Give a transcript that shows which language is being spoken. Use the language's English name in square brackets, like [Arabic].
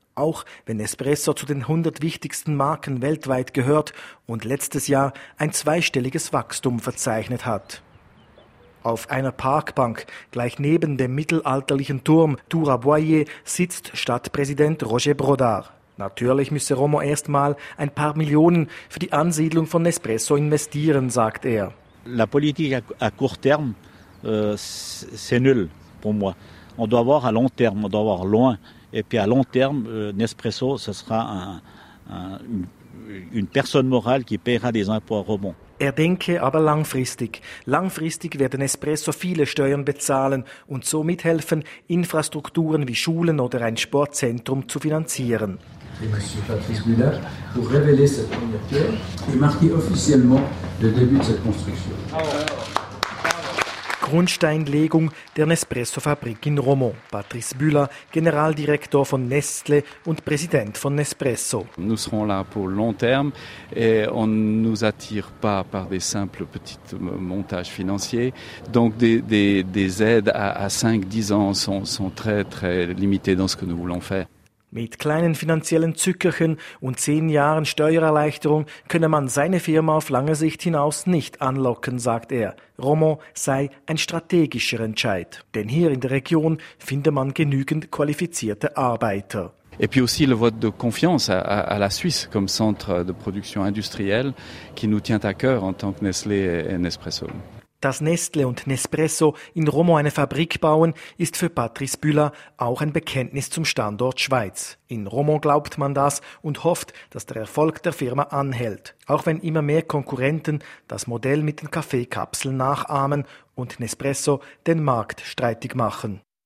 [German] Auch wenn Nespresso zu den 100 wichtigsten Marken weltweit gehört und letztes Jahr ein zweistelliges Wachstum verzeichnet hat. Auf einer Parkbank, gleich neben dem mittelalterlichen Turm Tura Boyer, sitzt Stadtpräsident Roger Brodard. Natürlich müsse Romo erstmal ein paar Millionen für die Ansiedlung von Nespresso investieren, sagt er. [French] La politique à court terme, c'est nul pour moi. On doit voir à long terme, on doit voir loin. Et puis à long terme, Nespresso, ce sera une personne morale qui paiera des impôts à Romo. [German] Er denke aber langfristig. Langfristig werde Nespresso viele Steuern bezahlen und so mithelfen, Infrastrukturen wie Schulen oder ein Sportzentrum zu finanzieren. [French] Monsieur Patrice Müller, pour révéler cette première pierre, marquer officiellement le début de cette construction. [German] Grundsteinlegung der Nespresso-Fabrik in Romont. Patrice Müller, Generaldirektor von Nestlé und Präsident von Nespresso. [French] Nous serons là pour long terme et on ne nous attire pas par des simples petits montages financiers. Donc des aides à 5-10 ans sont très très limitées dans ce que nous voulons faire. [German] Mit kleinen finanziellen Zückerchen und 10 Jahren Steuererleichterung könne man seine Firma auf lange Sicht hinaus nicht anlocken, sagt er. Romont sei ein strategischer Entscheid. Denn hier in der Region finde man genügend qualifizierte Arbeiter. [French] Et puis aussi le vote de confiance à la Suisse comme centre de production industrielle qui nous tient à cœur en tant que Nestlé et Nespresso. [German] Dass Nestlé und Nespresso in Romont eine Fabrik bauen, ist für Patrice Müller auch ein Bekenntnis zum Standort Schweiz. In Romont glaubt man das und hofft, dass der Erfolg der Firma anhält. Auch wenn immer mehr Konkurrenten das Modell mit den Kaffeekapseln nachahmen und Nespresso den Markt streitig machen.